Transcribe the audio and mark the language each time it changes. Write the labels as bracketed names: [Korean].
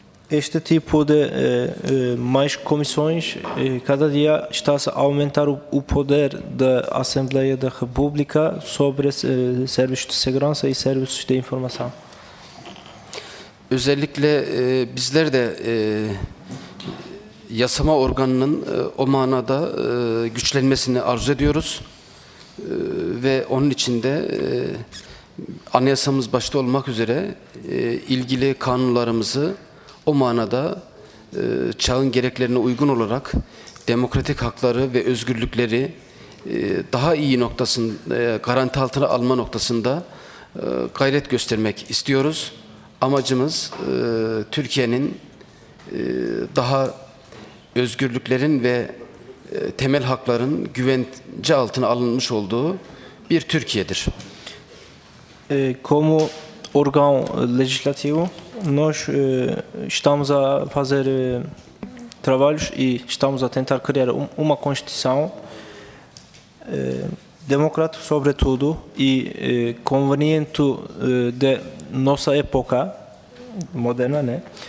[Portuguese] este tipo de mais comissões, cada dia está-se a aumentar o poder da Assembleia da República sobre serviços de segurança e serviços de informação. [Turkish] Özellikle bizler de yasama organının o manada güçlenmesini arzu ediyoruz ve onun için de anayasamız başta olmak üzere ilgili kanunlarımızı o manada çağın gereklerine uygun olarak demokratik hakları ve özgürlükleri daha iyi noktasında garanti altına alma noktasında gayret göstermek istiyoruz. Amacımız Türkiye'nin daha özgürlüklerin ve temel hakların güvence altına alınmış olduğu bir Türkiye'dir. [Portuguese] Como órgão legislativo, nós estamos a fazer trabalhos e estamos a tentar criar uma constituição democrata, sobretudo, e conveniente de nossa época moderna, né?